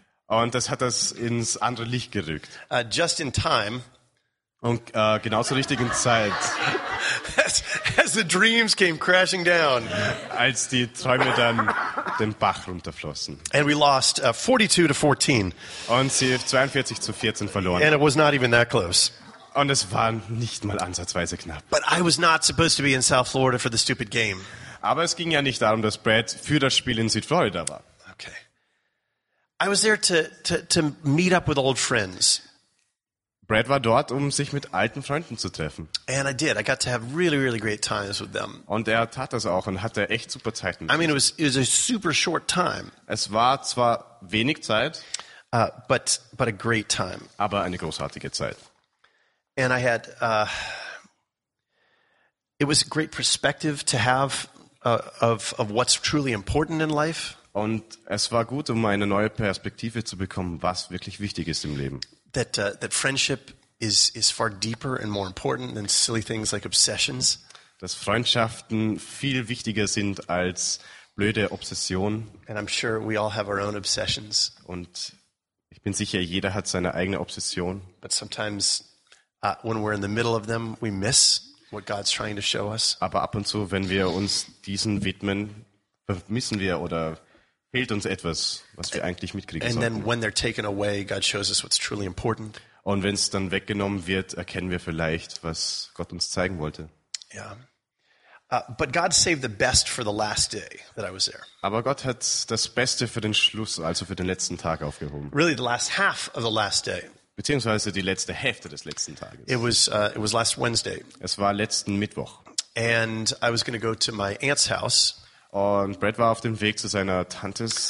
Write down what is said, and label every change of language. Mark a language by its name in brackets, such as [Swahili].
[German] Und das hat das ins andere Licht gerückt. [English] Just in time. [German] Und genau zur richtigen Zeit. [English] As the dreams came crashing down. [German] Als die Träume dann den Bach runterflossen. [English] And we lost 42 to 14. [German] Und sie 42 zu 14 verloren. [English] And it was not even that close. [German] Und es war nicht mal ansatzweise knapp. [English] But I was not supposed to be in South Florida for the stupid game. [German] Aber es ging ja nicht darum, dass Brad für das Spiel in Südflorida war. [English] Okay. I was there to meet up with old friends. [German] Brad war dort, um sich mit alten Freunden zu treffen. [English] And I did. I got to have really, really great times with them. [German] Und er tat das auch und hatte echt super Zeiten. [English] I mean, it was a super short time. [German] Es war zwar wenig Zeit, [English] but a great time. [German] Aber eine großartige Zeit. [English] And I had it was a great perspective to have of what's truly important in life. [German] Und es war gut, um eine neue Perspektive zu bekommen, was wirklich wichtig ist im Leben. [English] That friendship is far deeper and more important than silly things like obsessions. [German] Dass Freundschaften viel wichtiger sind als blöde Obsessionen. [English] And I'm sure we all have our own obsessions. [German] Und ich bin sicher, jeder hat seine eigene Obsession. [English] But sometimes, when we're in the middle of them, we miss what God's trying to show us. [German] Aber ab und zu, wenn wir uns diesen widmen, vermissen wir oder fehlt uns etwas, was wir eigentlich mitkriegen sollten. [English] And then when they're taken away, God shows us what's truly important. [German] Und wenn es dann weggenommen wird, erkennen wir vielleicht, was Gott uns zeigen wollte. [English] Yeah. But God saved the best for the last day that I was there. [German] Aber Gott hat das Beste für den Schluss, also für den letzten Tag aufgehoben. [English] Really the last half of the last day. [German] Beziehungsweise die letzte Hälfte des letzten Tages. [English] It was last Wednesday. [German] Es war letzten Mittwoch. [English] And I was going to go to my aunt's house. [German] Und Brad war auf dem Weg zu seiner Tante.